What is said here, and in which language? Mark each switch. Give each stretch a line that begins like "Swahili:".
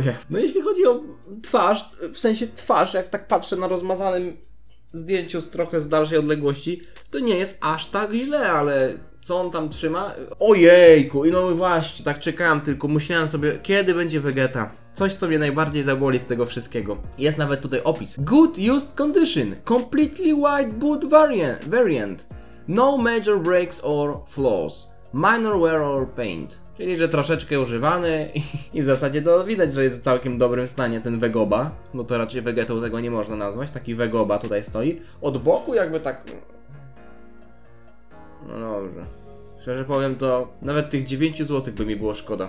Polish: No jeśli chodzi o twarz, w sensie twarz, jak tak patrzę na rozmazanym zdjęciu z trochę z dalszej odległości, to nie jest aż tak źle, ale co on tam trzyma? Ojejku, i no właśnie, tak czekałem tylko, myślałem sobie, kiedy będzie Vegeta? Coś, co mnie najbardziej zaboli z tego wszystkiego. Jest nawet tutaj opis.
English: Good used condition, completely white boot variant. No major breaks or flaws, minor wear or paint.
Polish: Czyli, że troszeczkę używany i w zasadzie to widać, że jest w całkiem dobrym stanie ten Vegoba. No to raczej Vegetą tego nie można nazwać, taki Vegoba tutaj stoi. Od boku jakby tak... No dobrze. Szczerze powiem, to nawet tych 9 zł by mi było szkoda.